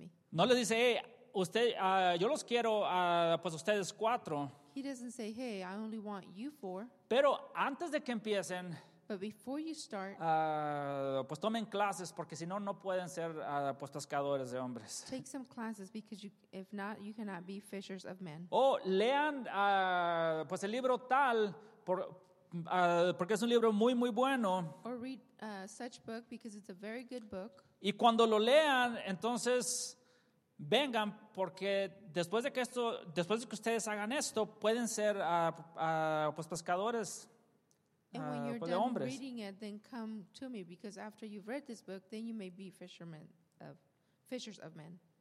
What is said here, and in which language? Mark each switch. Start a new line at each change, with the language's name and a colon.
Spanish: No les dice, hey, usted, yo los quiero pues ustedes cuatro.
English: He doesn't say, hey, I only want you four.
Spanish: Pero antes de que empiecen,
English: but before you start,
Spanish: pues tomen clases, porque si no, no pueden ser pues pescadores de hombres.
English: Take some classes, because you, if not, you cannot be fishers of men.
Spanish: O lean pues el libro tal, porque es un libro muy, muy bueno.
English: Or read such book, because it's a very good book.
Spanish: Y cuando lo lean, entonces vengan, porque después de que ustedes hagan esto, pueden ser pues pescadores de hombres.
English: And when you're done reading it, then come to me, because after you've read this book, then you may be fishers of men.